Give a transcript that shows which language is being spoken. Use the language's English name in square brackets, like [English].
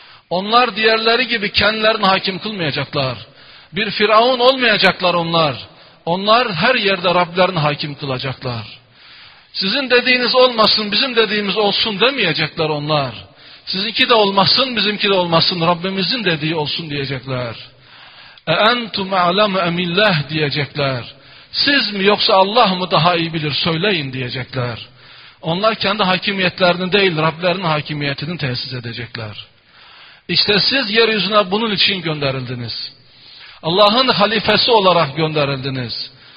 [Turkish] Onlar diğerleri gibi kendilerini hakim kılmayacaklar. Bir firavun olmayacaklar onlar. Onlar her yerde Rablerini hakim kılacaklar. Sizin dediğiniz olmasın, bizim dediğimiz olsun demeyecekler onlar. Sizinki de olmasın, bizimki de olmasın, Rabbimizin dediği olsun diyecekler. [Arabic] اَاَنْتُمْ اَعْلَمُ اَمِ اللّٰهِ diyecekler. [Turkish] Siz mi yoksa Allah mı daha iyi bilir söyleyin diyecekler. Onlar kendi hakimiyetlerini değil Rablerinin hakimiyetini tesis edecekler. İşte siz yeryüzüne bunun için gönderildiniz. Allah'ın halifesi olarak gönderildiniz.